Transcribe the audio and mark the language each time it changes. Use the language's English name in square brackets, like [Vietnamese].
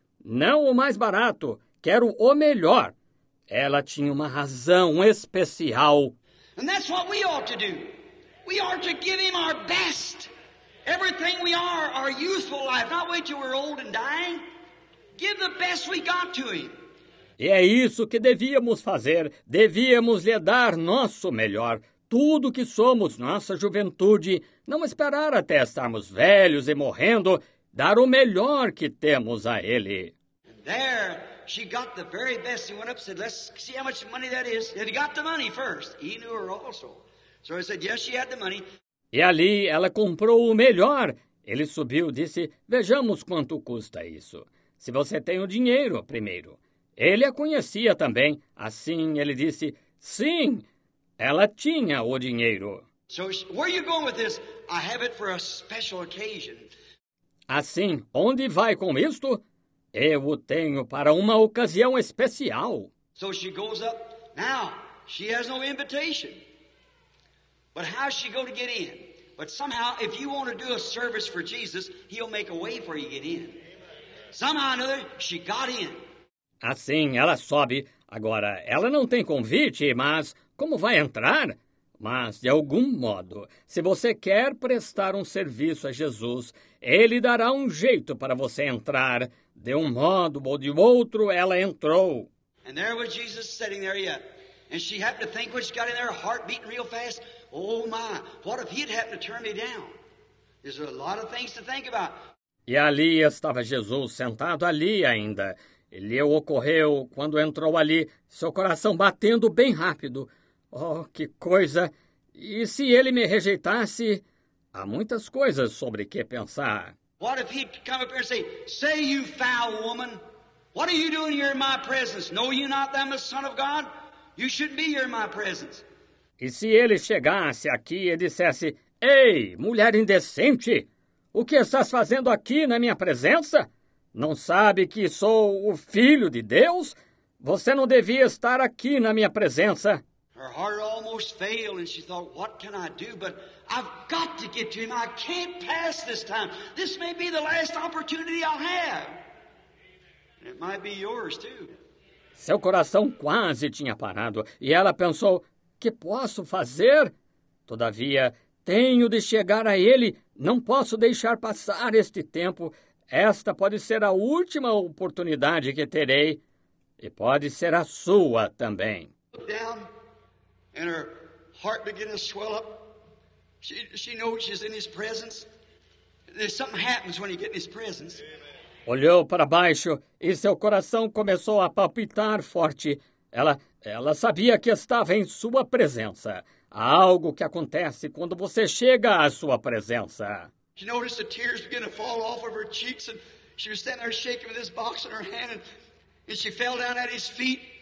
[Portuguese] Não o mais barato, quero o melhor. Ela tinha uma razão especial. [English] And that's what we ought to do. We are to give him our best. Everything we are, our useful life. Not wait till we're old and dying. Give the best we got to him. [Portuguese] E é isso que devíamos fazer. Devíamos lhe dar nosso melhor. Tudo que somos, nossa juventude, não esperar até estarmos velhos e morrendo, dar o melhor que temos a ele. [English] There, she got the very best. He went up and said, let's see how much money that is. Have you got the money first? He knew her also. So he said, yes, she had the money. [Portuguese] E ali, ela comprou o melhor. Ele subiu e disse, vejamos quanto custa isso. Se você tem o dinheiro, primeiro. Ele a conhecia também. Assim, ele disse, sim. Ela tinha o dinheiro. [English] So, where are you going with this? I have it for a special occasion. [Portuguese] Assim, onde vai com isto? Eu o tenho para uma ocasião especial. [English] So she goes up Now, she has no invitation. But how is she going to get in? But somehow, if you want to do a service for Jesus, He'll make a way for you to get in. Somehow or another, she got in. [Portuguese] Assim, ela sobe. Agora, ela não tem convite, mas como vai entrar? Mas, de algum modo, se você quer prestar um serviço a Jesus, Ele dará um jeito para você entrar. De um modo ou de outro, ela entrou. [English] And there was Jesus sitting there yet. And she happened to think when she got in there, her heart beating real fast. Oh my, what if He'd happened to turn me down? There's a lot of things to think about. [Portuguese] E ali estava Jesus sentado ali ainda. E lhe ocorreu, quando entrou ali, seu coração batendo bem rápido. Oh, que coisa! E se ele me rejeitasse? Há muitas coisas sobre que pensar. [English] What if he'd come up here and say, "Say, you foul woman, what are you doing here in my presence? Know you not that I'm the Son of God? You shouldn't be here in my presence." [Portuguese] E se ele chegasse aqui e dissesse, "Ei, mulher indecente, o que estás fazendo aqui na minha presença? Não sabe que sou o Filho de Deus? Você não devia estar aqui na minha presença." [English] Her heart almost failed and she thought, what can I do? But I've got to get to Him. I can't pass this time. This may be the last opportunity I'll have. And it might be yours too. [Portuguese] Seu coração quase tinha parado e ela pensou, que posso fazer? Todavia, tenho de chegar a Ele. Não posso deixar passar este tempo. Esta pode ser a última oportunidade que terei e pode ser a sua também. [English] And her heart began to swell up. She knows she's in His presence. There's something happens when you get in His presence. [Portuguese] Olhou para baixo e seu coração começou a palpitar forte. Ela sabia que estava em sua presença. Há algo que acontece quando você chega à sua presença. [English] She noticed the tears began to fall off of her cheeks and she was standing there shaking with this box in her hand and she fell down at His feet.